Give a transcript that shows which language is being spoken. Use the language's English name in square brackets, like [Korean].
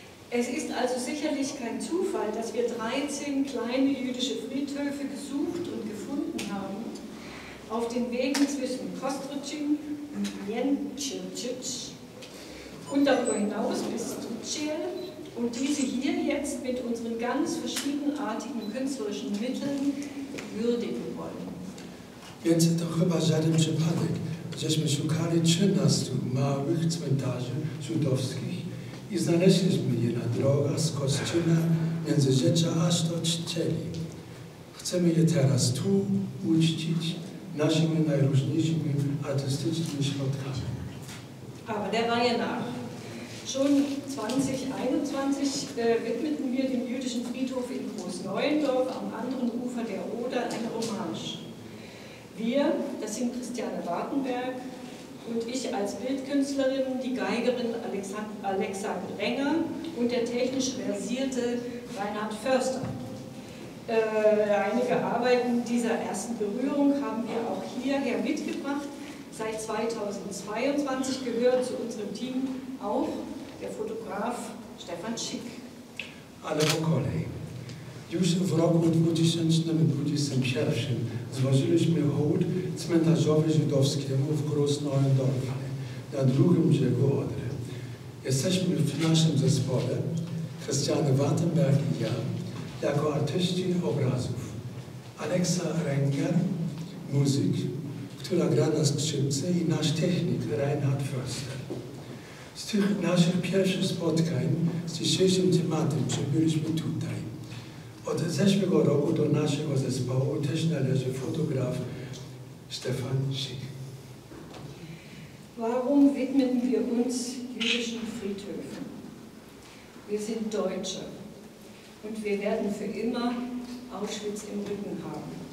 [German] Es ist also sicherlich kein Zufall, dass wir 13 kleine jüdische Friedhöfe gesucht und gefunden haben, auf den Wegen zwischen Kostrzyn und Jędrzejczyc und darüber hinaus bis Tuczel, und diese hier jetzt mit unseren ganz verschiedenartigen künstlerischen Mitteln würdigen wollen. [Polish] Więc chyba żaden przypadek, żeśmy szukali 13 małych cmentarzy żydowskich i znaleźliśmy je na drogach z Kostrzyna między Rzecza aż do Czczeli. Chcemy je teraz tu uczcić naszymi najróżniejszymi artystycznymi środkami. [German] Aber der Reihe nach. Schon 2021 widmeten wir dem jüdischen Friedhof in Großneuendorf am anderen Ufer der Oder eine Hommage. Wir, das sind Christiane Wartenberg und ich als Bildkünstlerin, die Geigerin Alexa Grenger und der technisch versierte Reinhard Förster. Einige Arbeiten dieser ersten Berührung haben wir auch hierher mitgebracht. Seit 2022 gehört zu unserem Team auch der Fotograf Stefan Schick. [Polish] Ale kolej. Już w roku 2021 złożyliśmy hołd cmentarzowi żydowskiemu w Krosnoendorfie na drugim brzegu Odry. Jesteśmy w naszym zespole, Christiane Wartenberg i ja, jako artyści obrazów. Alexa Renger, muzyk, która gra na skrzypce, i nasz technik Reinhard Förster. Z tych naszych pierwszych spotkań z dzisiejszym tematem przybyliśmy tutaj. Od zeszłego roku do naszego zespołu też należy fotograf Stefan Schick. [German] Warum widmen wir uns jüdischen Friedhöfen? Wir sind Deutsche und wir werden für immer Auschwitz im Rücken haben.